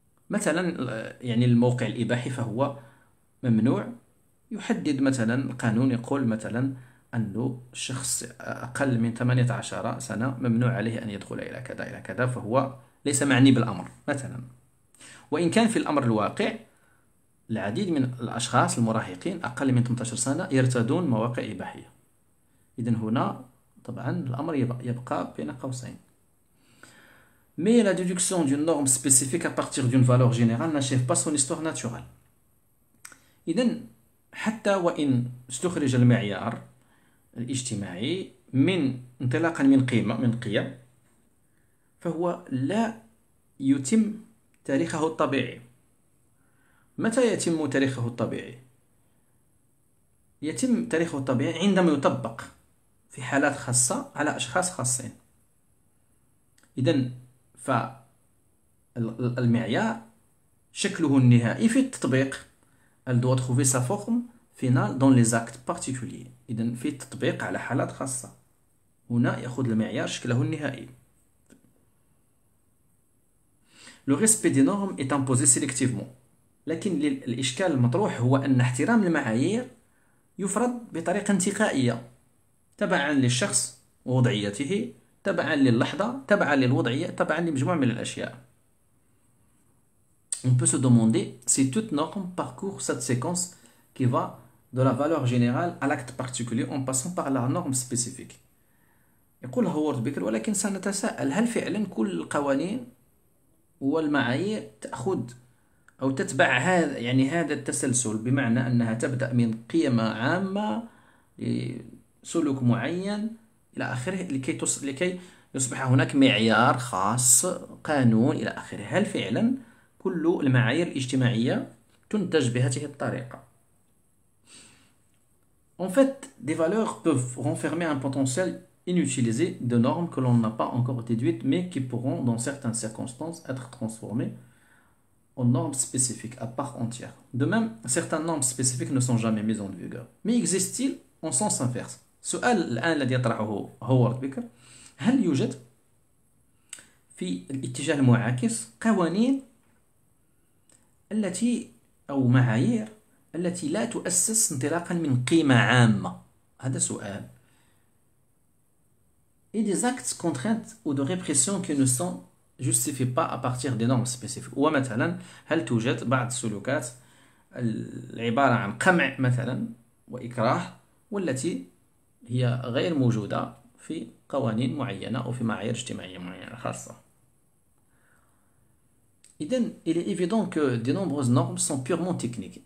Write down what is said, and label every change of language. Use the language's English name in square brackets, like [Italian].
[Arabic] مثلا يعني الموقع الإباحي فهو ممنوع، يحدد مثلا القانون يقول مثلا أنه شخص أقل من 18 سنة ممنوع عليه أن يدخل إلى كذا إلى كذا، فهو ليس معني بالأمر مثلا. وإن كان في الأمر الواقع العديد من الأشخاص المراهقين أقل من 18 سنة يرتادون مواقع إباحية. إذن هنا طبعا الأمر يبقى بين قوسين. [French] Mais la déduction d'une norme spécifique à partir d'une valeur générale n'achève pas son histoire naturelle. [Arabic] إذن حتى وإن استخرج المعيار الاجتماعي من انطلاقا من قيمة من قيم، فهو لا يتم تاريخه الطبيعي. متى يتم تاريخه الطبيعي؟ يتم تاريخه الطبيعي عندما يطبق في حالات خاصة على أشخاص خاصين. إذن فالمعيار شكله النهائي في التطبيق [French] elle doit trouver sa forme finale dans les actes particuliers. [Arabic] إذن في التطبيق على حالات خاصة هنا يأخذ المعيار شكله النهائي. [French] Le respect des normes est imposé sélectivement. [Arabic] لكن الإشكال المطروح هو أن احترام المعايير يفرض بطريقة انتقائية تبعا للشخص ووضعيته تبعا للحظة تبعا للوضعية تبعا لمجموعة من الأشياء. [French] On peut se demander si toute norme parcourt cette séquence qui va de la valeur générale à l'acte particulier en passant par la norme spécifique. [Arabic] يقول هوارد بيكر ولكن سنتساءل هل فعلا كل القوانين والمعايير تأخذ أو تتبع هذا يعني هذا التسلسل بمعنى أنها تبدأ من قيمة عامة لسلوك معين إلى آخره لكي يصبح هناك معيار خاص قانون إلى آخره. هل فعلا كل المعايير الاجتماعية تنتج بهذه الطريقة؟ [French] En fait, des valeurs peuvent renfermer un potentiel inutilisé de normes que l'on n'a pas encore déduites, mais qui pourront, dans certaines circonstances, être transformées en normes spécifiques à part entière. De même, certaines normes spécifiques ne sont jamais mises en vigueur. Mais existe-t-il en sens inverse? [Arabic] سؤال الآن الذي يطرحه هوارد بيكر، هل يوجد في الاتجاه المعاكس قوانين التي أو معايير التي لا تؤسس انطلاقا من قيمة عامة؟ هذا سؤال. [French] et des actes contraintes ou de répression qui ne sont justifiés pas à partir des normes spécifiques. Ou mettons, [Arabic] hal toujet بعض السلوكات العبارة عن قمع مثلا وإكراه والتي هي غير موجودة في قوانين معينة أو في معايير اجتماعية معينة خاصة. [French] إذن il est évident que de nombreuses normes sont purement techniques.